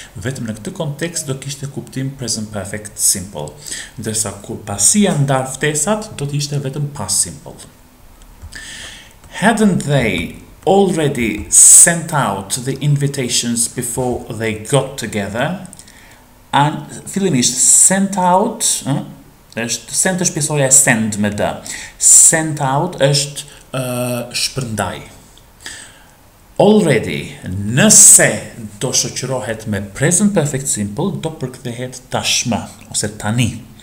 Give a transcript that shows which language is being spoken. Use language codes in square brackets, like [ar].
[sq] Vetëm në këtë kontekst do kishte kuptim present perfect simple. Ndërsa kur pasia ndar ftesat, do të ishte vetëm past simple. [en] Hadn't they already sent out the invitations before they got together? [sq] And fillimisht sent out, është sent është pjesoja e send me dë. Sent out është shpërndaj. Already, nëse do shoqërohet me present perfect simple, do përkthehet tashmë, ose tani.